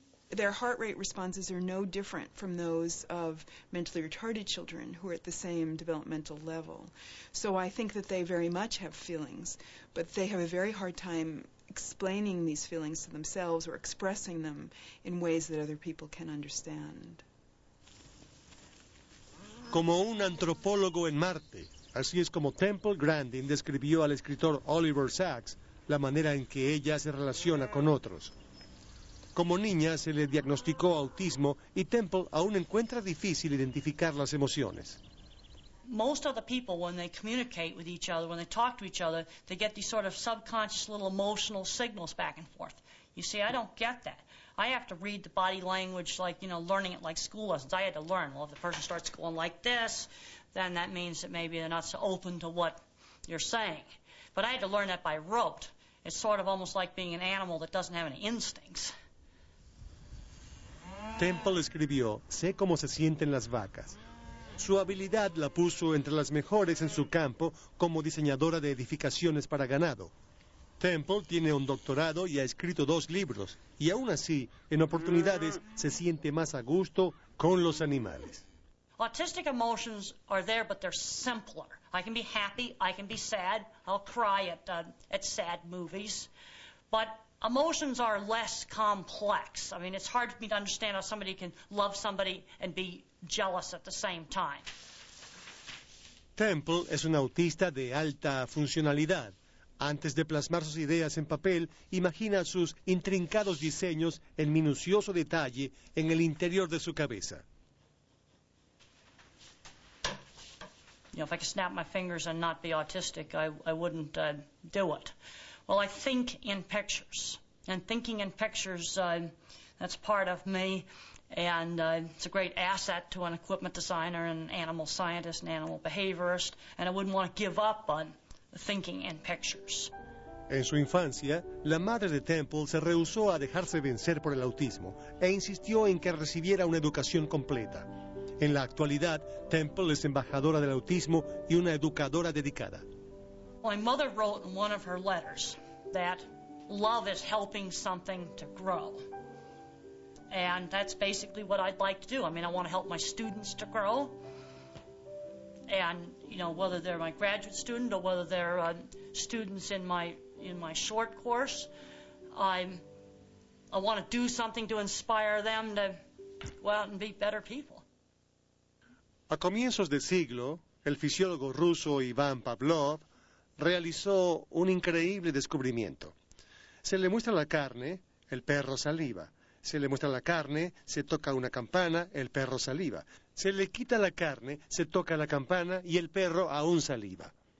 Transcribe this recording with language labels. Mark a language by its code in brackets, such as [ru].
[en] Their heart rate responses are no different from those of mentally retarded children who are at the same developmental level. So I think that they very much have feelings, but they have a very hard time explaining these feelings to themselves or expressing them in ways that other people can understand. [es] Como un antropólogo en Marte, así es como Temple Grandin describió al escritor Oliver Sacks la manera en que ella se relaciona con otros. Como niña se le diagnosticó autismo y Temple aún encuentra difícil identificar las emociones. [en] Most of the people, when they communicate with each other, when they talk to each other, they get these sort of subconscious little emotional signals back and forth. You see, I don't get that. I have to read the body language like, you know, learning it like school lessons. I had to learn. Well, if the person starts going like this, then that means that maybe they're not so open to what you're saying. But I had to learn that by rote. It's sort of almost like being an animal that doesn't have any instincts. [es] Temple escribió, sé cómo se sienten las vacas. Su habilidad la puso entre las mejores en su campo como diseñadora de edificaciones para ganado. Temple tiene un doctorado y ha escrito 2 libros, y aún así, en oportunidades, se siente más a gusto con los animales. [en] Autistic emotions are there, but they're simpler. I can be happy, I can be sad, I'll cry at sad movies. But emotions are less complex. I mean, it's hard for me to understand how somebody can love somebody and be jealous at the same time. [es] Temple es un autista de alta funcionalidad. Antes de plasmar sus ideas en papel, imagina sus intrincados diseños en minucioso detalle en el interior de su cabeza. [en] You know, if I could snap my fingers and not be autistic, I wouldn't do it. Well, I think in pictures. And thinking in pictures, that's part of me. And it's a great asset to an equipment designer, an animal scientist, an animal behaviorist. And I wouldn't want to give up on thinking in pictures. [es] En su infancia, la madre de Temple se rehusó a dejarse vencer por el autismo e insistió en que recibiera una educación completa. En la actualidad, Temple es embajadora del autismo y una educadora dedicada. [en] My mother wrote in one of her letters that love is helping something to grow. And that's basically what I'd like to do. I mean, I want to help my students to grow. And, you know, whether they're my graduate student or whether they're students in my short course, I want to do something to inspire them to go out and be better people. [es] A comienzos de siglo, el fisiólogo ruso Iván Pavlov realizó un increíble descubrimiento. Se le muestra la carne, el perro saliva. Se le muestra la carne, se toca una campana, el perro saliva. Se le quita la carne, se toca la campana y el perro aún saliva.